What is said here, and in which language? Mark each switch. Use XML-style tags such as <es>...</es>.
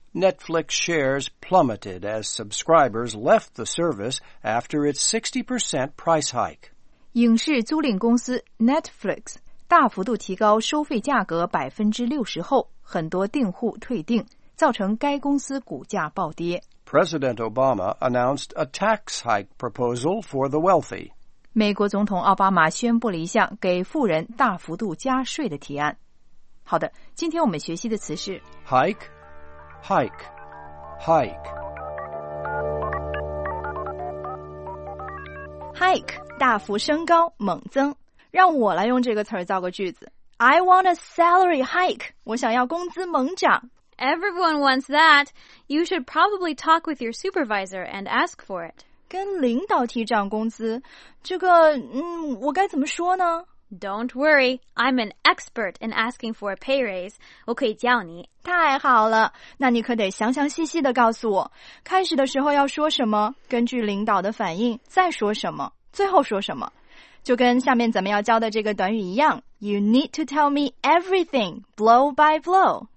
<en>Netflix shares plummeted as subscribers left the service after its 60% price hike.</en> <zh>影视租赁公司 Netflix 大幅度提高收费价格 60% 后，很多订户退订，造成该公司股价暴跌。</zh> <en>President Obama announced a tax hike proposal for the wealthy.</en> <zh>美国总统奥巴马宣布了一项给富人大幅度加税的提案。好的，今天我们学习的词是</zh> <en>hike, hike, hike.</en> <zh>Hike, 大幅升高，猛增。让我来用这个词儿造个句子。</zh> <en>I want a salary hike.</en> <zh>我想要工资猛涨。</zh> <en>Everyone wants that. You should probably talk with your supervisor and ask for it.</en> <zh>跟领导提涨工资，这个，我该怎么说呢？</zh> <en>Don't worry. I'm an expert in asking for a pay raise.</en> <zh>我可以教你。太好了，那你可得详详细细地告诉我，开始的时候要说什么，根据领导的反应再说什么，最后说什么。就跟下面咱们要教的这个短语一样，</zh> <en>You need to tell me everything, blow by blow.</en>